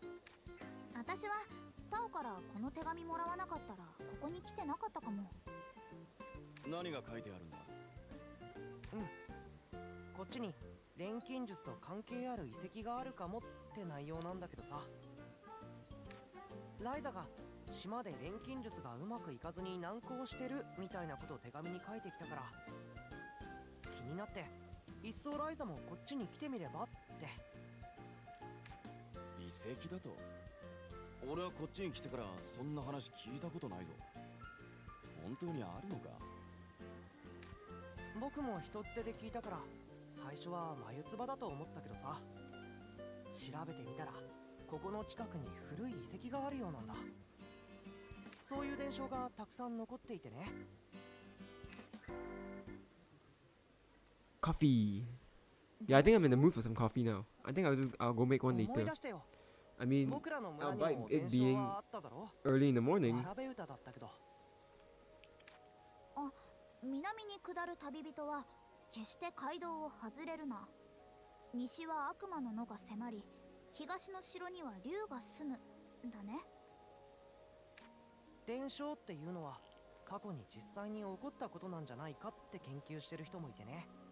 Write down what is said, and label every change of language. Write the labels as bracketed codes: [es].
[en] Yes, here, there is a relic of the Ancient Magic Ruins. [ja] ライザが島で錬金術がうまくいかずに難航してるみたいなことを手紙に書いてきたから気になって、いっそライザもこっちに来てみればって。遺跡だと？俺はこっちに来てからそんな話聞いたことないぞ。本当にあるのか？僕も一つ手で聞いたから最初は眉唾だと思ったけどさ、調べてみたらここの近くに古い遺跡があるようなんだ。そういう伝承がたくさん残っていてね。コーヒー。 [en] Yeah, I think I'm in the mood for some coffee now. I think I'll go make one later. I mean, despite it being early in the morning. [ja] アラベウタだったけど。あ、南に下る旅人は決して街道を外れるな。西は悪魔の野が迫り、東の城には竜が住むだね。伝承っていうのは過去に実際に起こったことなんじゃないかって研究してる人もいてね。